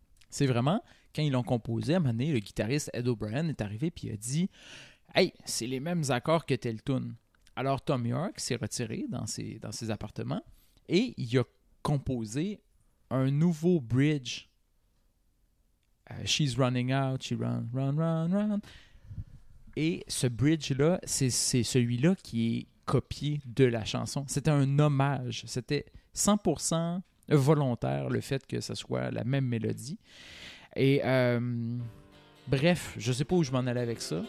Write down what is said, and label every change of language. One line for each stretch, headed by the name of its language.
French: C'est vraiment, quand ils l'ont composé, à un moment donné, le guitariste Ed O'Brien est arrivé et a dit « Hey, c'est les mêmes accords que telle tune. » Alors Tom York s'est retiré dans ses appartements et il a composé un nouveau bridge.
English: She's running out, she run.
French: Et ce bridge-là, c'est celui-là qui est copié de la chanson. C'était un hommage. C'était 100% volontaire le fait que ce soit la même mélodie. Et bref, je sais pas où je m'en allais avec ça.